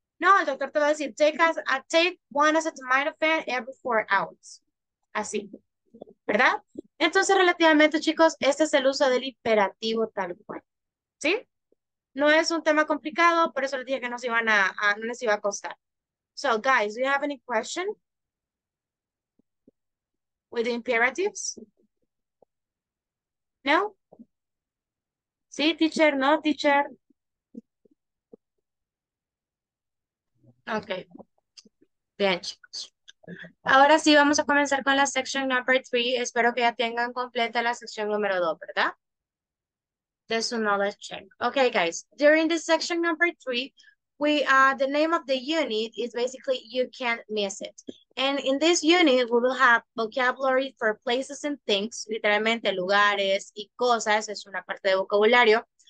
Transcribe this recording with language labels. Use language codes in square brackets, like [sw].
[es] No, el doctor te va a decir, [en] take one acetaminophen every 4 hours. [es] Así, ¿verdad? Entonces, relativamente, chicos, este es el uso del imperativo tal cual, ¿sí? No es un tema complicado, por eso les dije que no se iban a no les iba a costar. [en] So, guys, do you have any question with the imperatives? [es] No. Sí, teacher, no, teacher. Okay. Bien, chicos. Ahora sí vamos a comenzar con la sección number 3. Espero que ya tengan completa la sección número 2, ¿verdad? De su [en] knowledge check. Okay, guys. During the section number 3, the name of the unit is basically You Can't Miss It. And in this unit, we will have vocabulary for places and things, [es] literalmente lugares y cosas, es una parte de vocabulario.